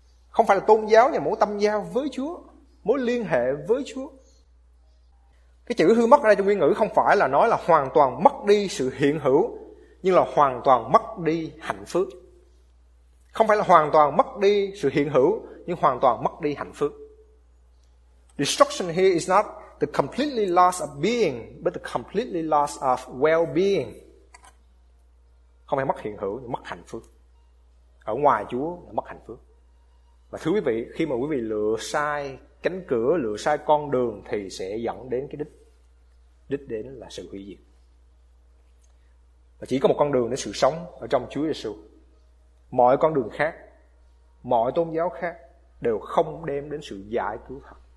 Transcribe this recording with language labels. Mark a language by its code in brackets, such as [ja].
[vi] Không phải là tôn giáo, nhưng mối tâm giao với Chúa, mối liên hệ với Chúa. Cái chữ hư mất ở đây trong nguyên ngữ không phải là nói là hoàn toàn mất đi sự hiện hữu, nhưng là hoàn toàn mất đi hạnh phúc. Không phải là hoàn toàn mất đi sự hiện hữu, nhưng hoàn toàn mất đi hạnh phúc. [en] Destruction here is not the completely loss of being, but the completely loss of well-being. [vi] Không phải mất hiện hữu, nhưng mất hạnh phúc. Ở ngoài Chúa là mất hạnh phúc. Và thưa quý vị, khi mà quý vị lựa sai cánh cửa, lựa sai con đường thì sẽ dẫn đến cái đích. Đích đến là sự hủy diệt. Và chỉ có một con đường để sự sống ở trong Chúa Giêsu. Mọi con đường khác, mọi tôn giáo khác đều không đem đến sự giải cứu thật.